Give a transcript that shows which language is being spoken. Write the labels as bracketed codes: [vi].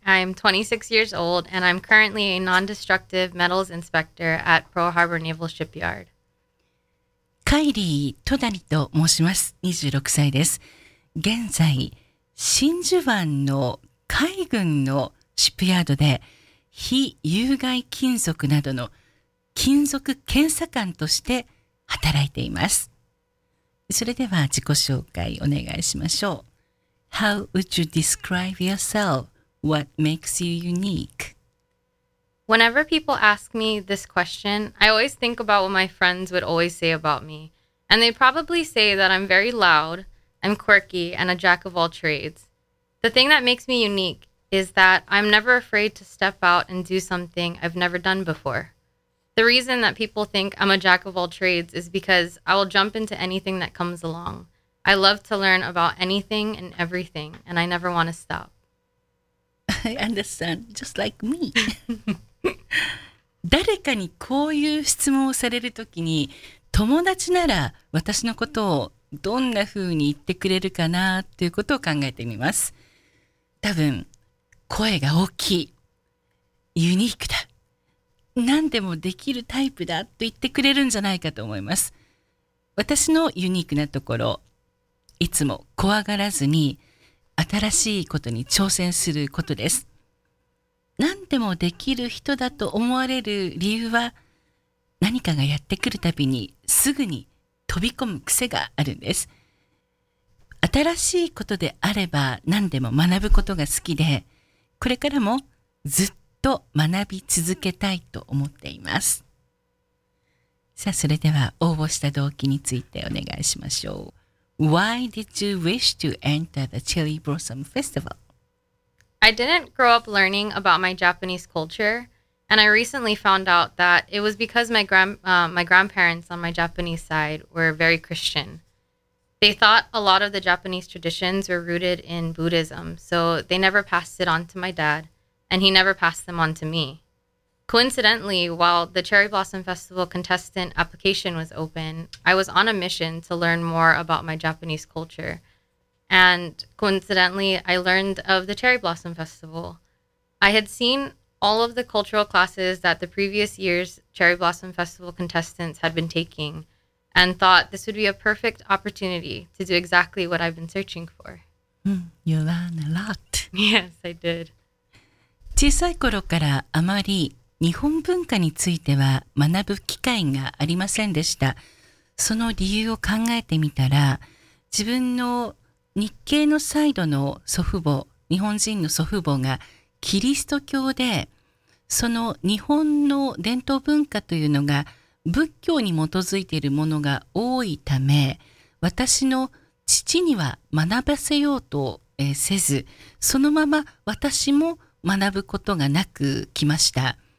[en] I'm 26 years old, and I'm currently a non-destructive metals inspector at Pearl Harbor Naval Shipyard. [ja] Kylie Toldani と申します。26歳です。現在、真珠湾の海軍のシップヤードで非有害金属などの金属検査官として働いています。それでは自己紹介お願いしましょう。 [en] How would you describe yourself? What makes you unique? Whenever people ask me this question, I always think about what my friends would always say about me. And they probably say that I'm very loud, I'm quirky, and a jack of all trades. The thing that makes me unique is that I'm never afraid to step out and do something I've never done before. The reason that people think I'm a jack of all trades is because I will jump into anything that comes along. I love to learn about anything and everything, and I never want to stop. I understand, just like me. [ja] 誰かにこういう質問をされるときに、友達なら私のことをどんな風に言ってくれるかなっていうことを考えてみます。多分、声が大きい、ユニークだ、何でもできるタイプだと言ってくれるんじゃないかと思います。私のユニークなところ、いつも怖がらずに新しいことに挑戦することです。何でもできる人だと思われる理由は、何かがやってくるたびにすぐに飛び込む癖があるんです。新しいことであれば何でも学ぶことが好きで、これからもずっと学び続けたいと思っています。さあ、それでは応募した動機についてお願いしましょう。 [en] Why did you wish to enter the Cherry Blossom Festival? I didn't grow up learning about my Japanese culture, and I recently found out that it was because my grandparents on my Japanese side were very Christian. They thought a lot of the Japanese traditions were rooted in Buddhism, so they never passed it on to my dad, and he never passed them on to me. Coincidentally, while the Cherry Blossom Festival contestant application was open, I was on a mission to learn more about my Japanese culture. And coincidentally, I learned of the Cherry Blossom Festival. I had seen all of the cultural classes that the previous year's Cherry Blossom Festival contestants had been taking and thought this would be a perfect opportunity to do exactly what I've been searching for. You learned a lot. Yes, I did. [ja] 小さい頃からあまり日本文化については学ぶ機会がありませんでした。その理由を考えてみたら、自分の日系のサイドの祖父母、日本人の祖父母がキリスト教で、その日本の伝統文化というのが仏教に基づいているものが多いため、私の父には学ばせようとせず、そのまま私も学ぶことがなく来ました。